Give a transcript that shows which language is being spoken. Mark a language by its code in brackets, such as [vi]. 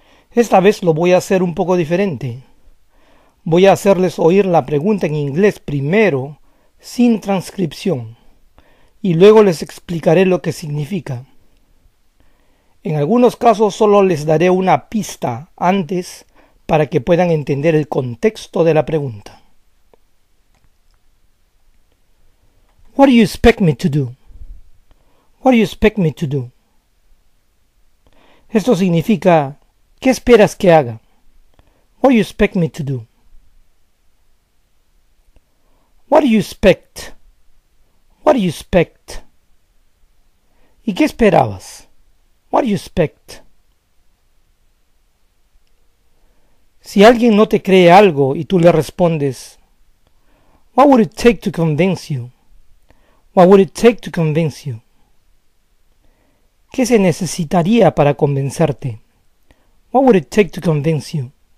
[es] Esta vez lo voy a hacer un poco diferente. Voy a hacerles oír la pregunta en inglés primero, sin transcripción, y luego les explicaré lo que significa. En algunos casos solo les daré una pista antes para que puedan entender el contexto de la pregunta. [en] What do you expect me to do? What do you expect me to do? [es] Esto significa, ¿qué esperas que haga? [en] What do you expect me to do? What do you expect? What do you expect? [es] ¿Y qué esperabas? [en] What do you expect? [es] Si alguien no te cree algo y tú le respondes, [en] What would it take to convince you? What would it take to convince you? [es] ¿Qué se necesitaría para convencerte? [en] What would it take to convince you?